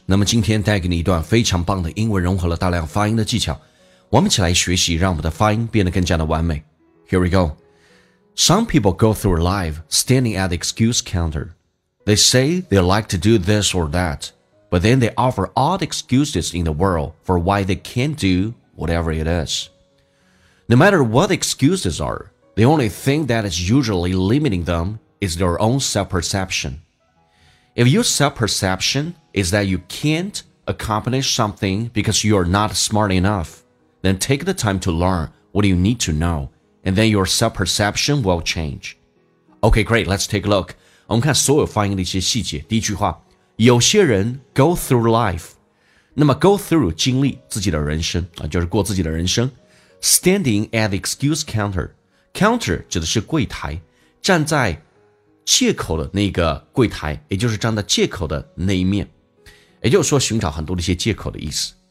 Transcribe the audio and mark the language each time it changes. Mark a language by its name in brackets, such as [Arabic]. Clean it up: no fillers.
[Chinese] 那么今天带给你一段非常棒的英文，融合了大量发音的技巧，我们一起来学习，让我们的发音变得更加的完美。 [English] Here we go. Some people go through life standing at the excuse counter. They say they like to do this or that, but then they offer all the excuses in the world for why they can't do whatever it is. No matter what the excuses are, the only thing that is usually limiting themis their own self-perception. If your self-perception is that you can't accomplish something because you are not smart enough, then take the time to learn what you need to know, and then your self-perception will change. Okay, great, let's take a look. [Chinese] 我们看所有发音的一些细节。第一句话，有些人 [English] go through life. [Chinese] 那么 go through 经历自己的人生，就是过自己的人生。 [English] Standing at the excuse counter. [Chinese] Counter 指的是柜台，站在借口的那个柜台，也就是站在借口的那一面，也就是说寻找很多的一些借口的意思。